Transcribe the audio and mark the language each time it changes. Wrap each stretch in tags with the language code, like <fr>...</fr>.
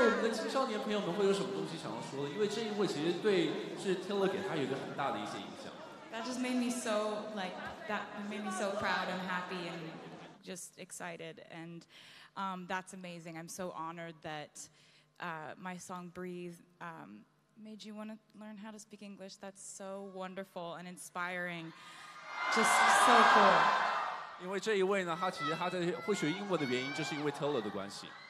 <zh>青少年朋友们会有什么东西想要说的？因为这一位其实对是 Taylor 给他有一个很大的一些影响。</zh> <en>That just made me so like that made me so proud and happy and just excited and that's amazing. I'm so honored that my song Breathe made you want to learn how to speak English. That's so wonderful and inspiring. Just so cool.</en> <zh>因为这一位呢，他其实他在会学英文的原因，就是因为 Taylor 的关系。</zh>